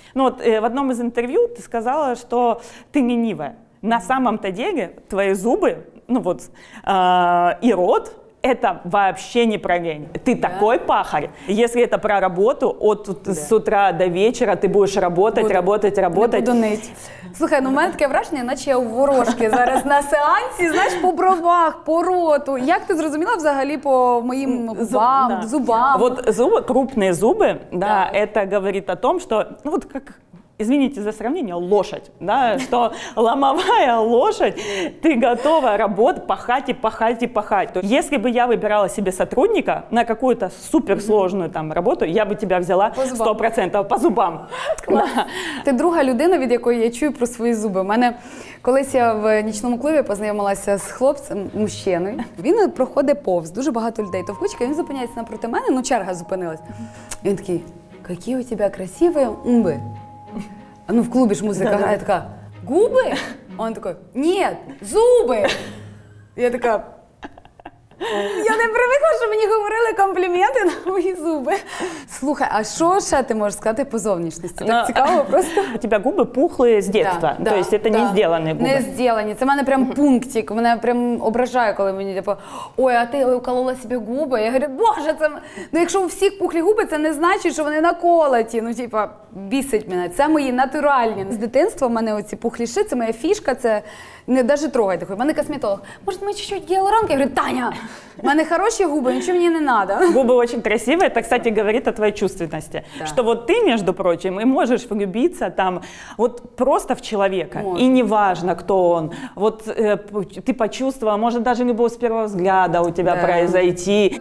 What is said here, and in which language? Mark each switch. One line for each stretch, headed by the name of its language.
Russian: Ну вот в одном из интервью ты сказала, что ты ленивая. На самом-то деле твои зубы, ну вот, и рот, это вообще не про лень. Ты такой пахарь. Если это про работу, с утра до вечера ты будешь работать, работать. Не буду ныть.
Ukrainian: Слухай, у мене таке враження, наче я у ворожки зараз на сеансі, знаєш, по бровах, по роту. Як ти зрозуміла взагалі по моїм зубам? От зуби, крупні зуби, це говорить
Russian: о том,
Ukrainian: що, ну от як...
Russian: Извините за сравнение, лошадь, да, что ломовая лошадь, ты готова работать, пахать и пахать и пахать. То есть, если бы я выбирала себе сотрудника на какую-то суперсложную там работу, я бы тебя взяла 100% по зубам. Да.
Ukrainian: Ты друга людина, від якої я чую про свої зуби. У мене колись я в нічному клубі познайомилася з хлопцем, мужчиною. Він проходить повз, дуже багато людей, товкучка, він зупиняється напроти мене, ну черга зупинилась. Він такий, які у тебе красиві уби. А ну в клубі ж музика грає, така, губи? Он такий, ні, зуби. Я така, я не привикла, що мені говорили компліменти на мої зуби. Слухай, а що ще ти можеш сказати по зовнішності? Так цікаво просто. У тебе губи пухли з дитинства, тобто це не зроблені губи. Не зроблені, це в мене прям пунктик, мене прям ображає, коли мені, типу, ой, а ти уколола собі губи? Я говорю, боже, це... Ну якщо у всіх пухлі губи, це не значить, що вони наколоті, ну типу, бісить мене. Це мої натуральні. З дитинства в мене оці пухліші, це моя фішка, це...
Russian: Не даже трогай такой.
Ukrainian: У мене косметолог.
Russian: Может, мы чуть-чуть гиалуронки? Я говорю, Таня, у мене хорошие губы, ничего мне не надо. Губы очень красивые. Это, кстати, говорит о твоей чувственности. Да. Что вот ты, между прочим, и можешь влюбиться там вот просто в человека. Может, и неважно, кто он. Вот ты почувствовала, может, даже любовь с первого взгляда у тебя произойти.